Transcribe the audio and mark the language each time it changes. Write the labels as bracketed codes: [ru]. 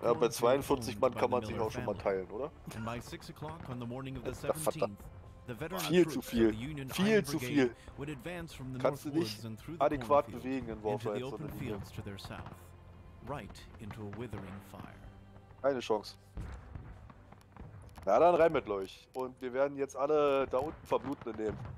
[de] Ja, bei 42 Mann kann man sich auch schon mal teilen, oder? [en] And by 6 o'clock on the morning of the 17th, the veteran troops of the Union Army would advance from the North Woods and through the cornfield into the open fields to their south, right into a withering fire. [de] Keine Chance. Na dann rein mit euch. Und wir werden jetzt alle da unten Verblutende nehmen.